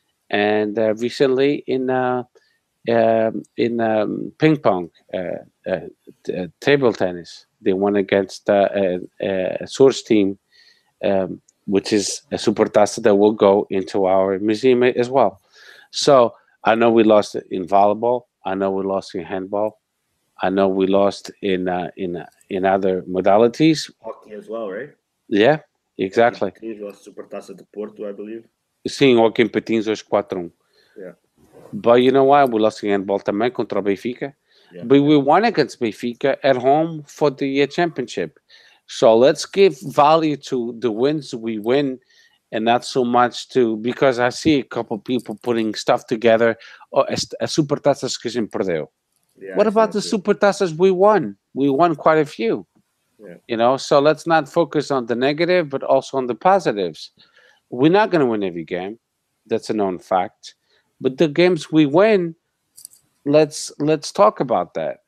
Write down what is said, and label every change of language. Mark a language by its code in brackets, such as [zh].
[en] And recently in ping pong, table tennis, they won against a source team, which is a Supertaça that will go into our museum as well. So I know we lost in volleyball. I know we lost in handball. I know we lost in other modalities. Hockey as well, right? Yeah, exactly. We lost Supertaça de Porto, I believe. [pt] Sim, hockey em patins hoje 4-1. [en] But you know why? We lost against handball [pt] também contra Benfica. [en] Yeah. But we won against Benfica at home for the championship. So let's give value to the wins we win and not so much to... Because I see a couple of people putting stuff together. [pt] Oh, a Supertaças que a gente perdeu. [en] Yeah, what about the Supertaças we won? We won quite a few. Yeah. You know, so let's not focus on the negative, but also on the positives. We're not going to win every game. That's a known fact. But the games we win, let's talk about that.